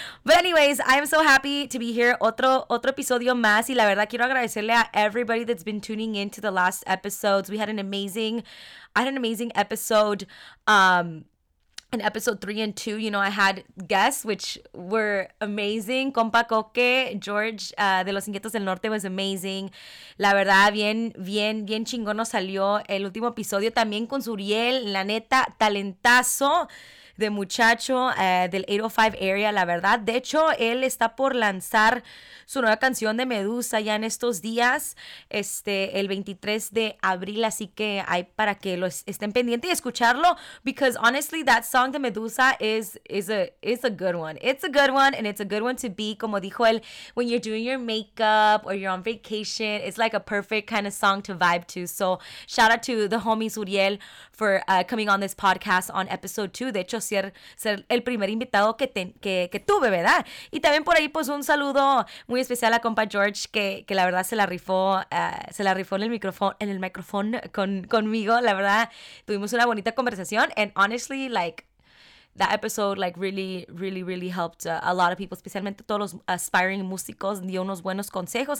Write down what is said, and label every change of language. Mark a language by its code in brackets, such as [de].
[en] But anyways, I am so happy to be here. [es] Otro episodio más, y la verdad quiero agradecerle a [en] everybody that's been tuning in to the last episodes. We had an amazing episode, in episode 3 and 2, you know, I had guests which were amazing. Compa Coque, George, de Los Inquietos del Norte, was amazing. [es] La verdad, bien, bien, bien chingón nos salió el último episodio. También con Suriel, la neta, talentazo de muchacho del 805 area, la verdad. De hecho, él está por lanzar su nueva canción de Medusa ya en estos días, el 23 de abril, así que hay para que lo estén pendientes y escucharlo, [en] because honestly, that song de Medusa is a good one. It's a good one, and it's a good one to be, [es] como dijo él, [en] when you're doing your makeup or you're on vacation, it's like a perfect kind of song to vibe to. So, shout out to the homies Uriel for coming on this podcast on episode 2. [es] De hecho, ser el primer invitado que tuve, ¿verdad? Y también por ahí, pues, un saludo muy especial a compa George, que la verdad se la rifó en el micrófono conmigo. La verdad, tuvimos una bonita conversación, [en] and honestly, like, that episode, like, really, really, really helped a lot of people, [es] especialmente todos los aspiring músicos, dio unos buenos consejos.